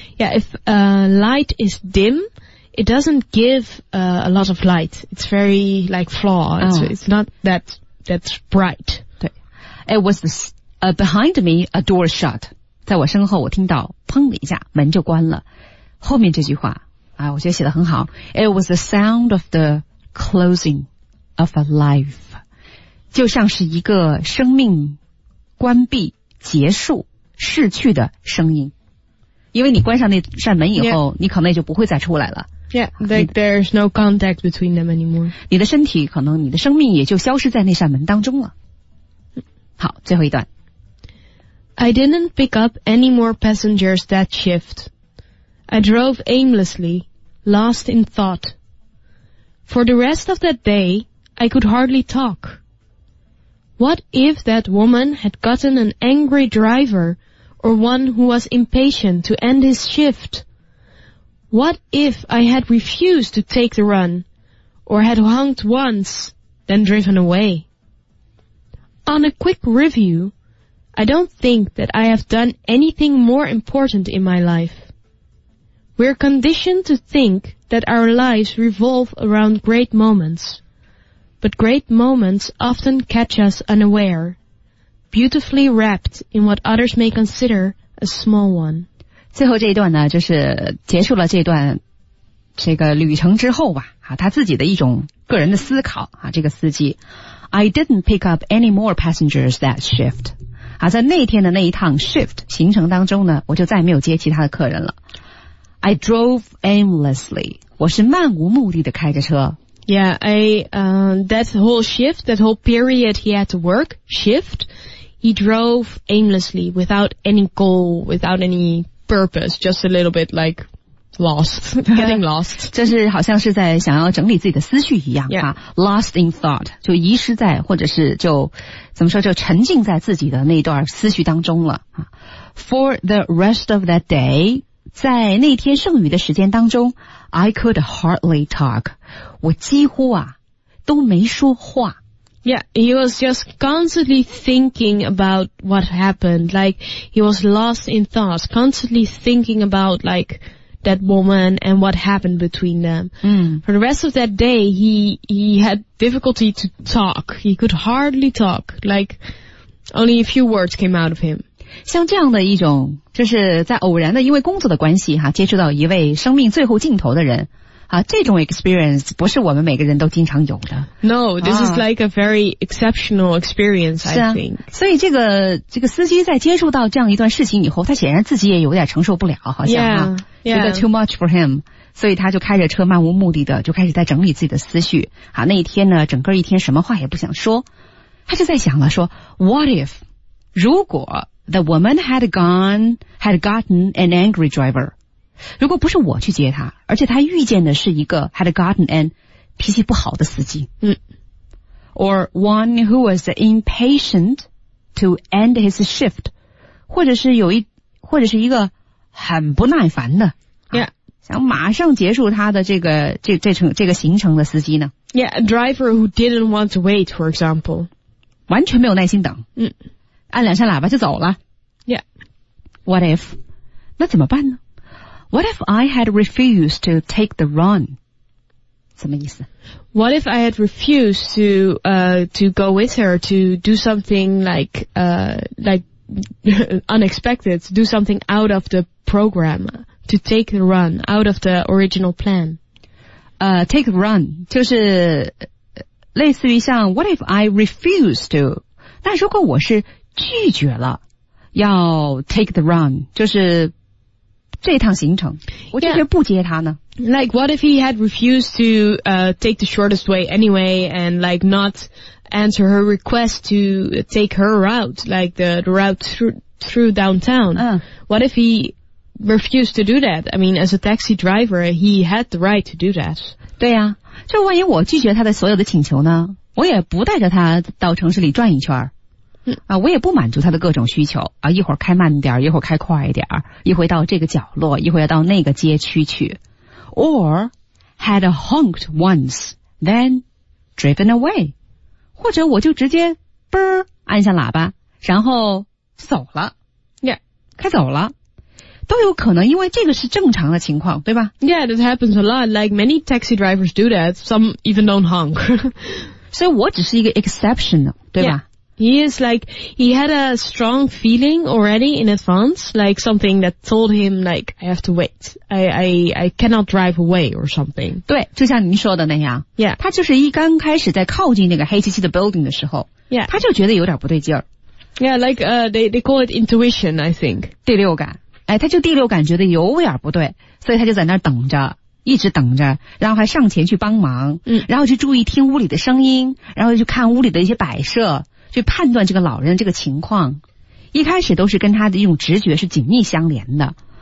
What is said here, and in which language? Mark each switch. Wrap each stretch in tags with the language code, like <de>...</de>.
<en>Yeah, if light is dim,it doesn't give a lot of light. It's very like flaw. It's not that's bright. It was behind me, a door shut.</en> <zh>在我身后我听到砰的一下门就关了。后面这句话啊，我觉得写得很好。</zh> <en>It was the sound of the closing of a life.</en> <zh>就像是一个生命关闭结束逝去的声音。因为你关上那扇门以后、</zh> <en>yeah.</en> <zh>你可能也就不会再出来了。</zh> <en>Yeah, like there's no contact between them anymore.</en> <zh>你的身体可能你的生命也就消失在那扇门当中了。好，最后一段。</zh> <en>I didn't pick up any more passengers that shift. I drove aimlessly, lost in thought. For the rest of that day, I could hardly talk. What if that woman had gotten an angry driver or one who was impatient to end his shift? What if I had refused to take the run, or had honked once, then driven away? On a quick review, I don't think that I have done anything more important in my life. We're conditioned to think that our lives revolve around great moments, but great moments often catch us unaware, beautifully wrapped in what others may consider a small one.</en> <zh>最后这一段呢，就是结束了这段这个旅程之后吧，啊，他自己的一种个人的思考啊。这个司机</zh> <en>，I didn't pick up any more passengers that shift。</en> <zh>啊，在那天的那一趟 shift 行程当中呢，我就再也没有接其他的客人了。</zh> <en>I drove aimlessly，</en> <zh>我是漫无目的的开着车。</zh> <en>Yeah, that whole shift, that whole period he had to work shift, he drove aimlessly without any goal, without any. Purpose, just a little bit like lost, getting lost.</en> <zh>这是好像是在想要整理自己的思绪一样、</zh> <en>yeah.</en> <zh>啊、</zh> <en>Lost in thought,</en> <zh>就遗失在或者是就怎么说就沉浸在自己的那段思绪当中了、啊、</zh> <en>For the rest of that day,</en> <zh>在那天剩余的时间当中</zh> <en>I could hardly talk.</en> <zh>我几乎啊都没说话。</zh> <en>Yeah, he was just constantly thinking about what happened. Like, he was lost in thoughts, constantly thinking about, like, that woman and what happened between them. Mm. For the rest of that day, he had difficulty to talk. He could hardly talk. Like, only a few words came out of him.</en> <zh>像这样的一种，就是在偶然的因为工作的关系哈，接触到一位生命最后尽头的人。啊，这种 experience 不是我们每个人都经常有的。</zh> <en>No, this is like a very exceptional experience, I think.</en> <zh>所以这个司机在接触到这样一段事情以后，他显然自己也有点承受不了，好像啊，</zh> <en>yeah, yeah.</en> <zh>觉得</zh> <en>too much for him，</en> <zh>所以他就开着车漫无目的的就开始在整理自己的思绪。啊，那一天呢，整个一天什么话也不想说，他就在想了说 ，</zh> <en>What if</en> <zh>如果</zh> <en>the woman had gotten an angry driver？</en> <zh>如果不是我去接他，而且他遇见的是一个</zh> <en>had gotten an</en> <zh>脾气不好的司机，嗯</zh> <en>，or one who was impatient to end his shift，</en> <zh>或者是一个很不耐烦的</zh> <en>，yeah，</en> <zh>想马上结束他的这个行程的司机呢</zh> <en>？Yeah， a driver who didn't want to wait， for example，</en> <zh>完全没有耐心等，嗯，按两下喇叭就走了</zh> <en>，yeah， what if？</en> <zh>那怎么办呢？</zh> <en>What if I had refused to take the run?</en> <zh>什么意思？</zh> <en>What if I had refused to go with her to do something like unexpected, to do something out of the program, to take the run out of the original plan? Take the run</en> <zh>就是类似于像</zh> <en>What if I refused to?</en> <zh>那如果我是拒绝了要</zh> <en>take the run</en> <zh>就是这一趟行程，我拒绝不接他呢。</zh> <en>Yeah. Like, what if he had refused to take the shortest way anyway, and like not answer her request to take her route, like the route through downtown?、What if he refused to do that? I mean, as a taxi driver, he had the right to do that.</en> <zh>对呀、啊，就万一我拒绝他的所有的请求呢？我也不带着他到城市里转一圈。啊，我也不满足他的各种需求啊，一会儿开慢点，一会儿开快一点，一会儿到这个角落，一会儿到那个街区去。</zh> <en>Or had honked once, then driven away.</en> <zh>或者我就直接嘣按下喇叭，然后走了</zh> <en>，Yeah，</en> <zh>开走了。都有可能，因为这个是正常的情况，对吧</zh> <en>？Yeah, that happens a lot. Like many taxi drivers do that. Some even don't honk.</en> <zh>所以我只是一个 exception， 对吧？</zh> <en>Yeah. He is like, he had a strong feeling already in advance, like something that told him, like, I have to wait. I cannot drive away or something.</en> <zh>对，就像您说的那样。</zh> <en>Yeah.</en> <zh>他就是一刚开始在靠近那个黑漆漆的 building 的时候。</zh> <en>Yeah.</en> <zh>他就觉得有点不对劲儿。</zh> <en>Yeah, like, they call it intuition, I think.</en> <zh>第六感。哎，他就第六感觉得有点不对，所以他就在那等着。一直等着，然后还上前去帮忙。嗯。然后去注意听屋里的声音，然后去看屋里的一些摆设。去判断这个老人这个情况，一开始都是跟他的一种直觉是紧密相连的。</zh>